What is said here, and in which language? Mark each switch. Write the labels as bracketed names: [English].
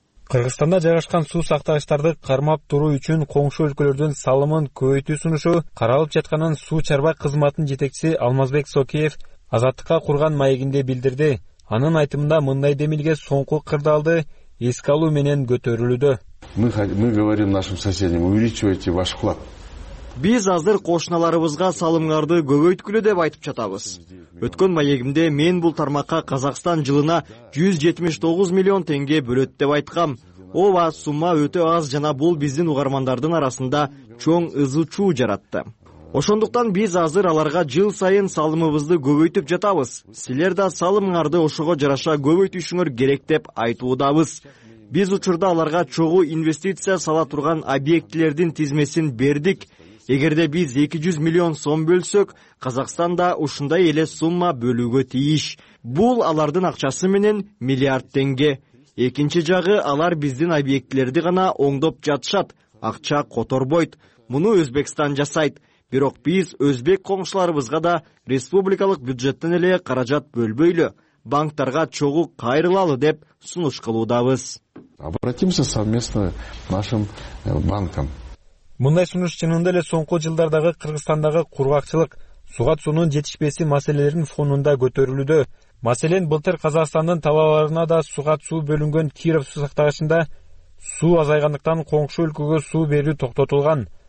[Kyrgyz] Кыргызстанда жайгашкан суу сактагычтарды кармап туруу үчүн коңшу өлкөлөрдүн салымын көбөйтүү сунушу каралып жатканын суу чарба кызматынын жетекчиси Алмазбек Сокиев Азаттыкка курган маегинде билдирди. Анын айтымында мындай демилге соңку кырдаалды эске алуу менен көтөрүлүүдө. [Russian] Мы говорим нашим соседям, увеличивайте ваш вклад. [Kyrgyz] Биз азыр кошуналарыбызга салымдарды көбөйткүлө деп айтып жатабыз. Өткөн маегимде мен бул тармакка Казакстан жылына 179 миллион теңге бөлөт деп айткам. Ова сумма өтө аз жана бул биздин угармандардын арасында чоң ызычуу жаратты. Ошондуктан биз азыр аларга жыл сайын салымыбызды көбөйтүп жатабыз. Силер да салымдарды ошого жараша көбөйтүшүңөр керек деп айтуудабыз. Биз учурда аларга чогуу инвестиция сала турган объектилердин тизмесин бердик. Эгерде биз 200 миллион сом бөлсөк, Казакстан да ушундай эле сумма бөлүүгө тийиш. Бул алардын акчасы менен миллиард теңге. Экинчи жагы, алар биздин объектилерди гана оңдоп жатышат, акча которбойт. Муну Өзбекстан жасайт. Бирок биз өзбек коңшуларыбызга да республикалык бюджеттен эле каражат бөлбөйлү, банктарга чогуу кайрылалы деп сунуш кылуудабыз. [Russian] Обратимся совместно нашим банкам. [Kyrgyz] Мындай сунуш чынында эле соңку жылдардагы Кыргызстандагы кургакчылык, сууга суунун жетишпеси маселелерин фонунда көтөрүлүүдө. Маселен, былтыр Казакстандын талааларына да сууга суу бөлүнгөн Киров суу сактагычында суу азайгандыктан коңшу өлкөгө суу берүү токтотулган.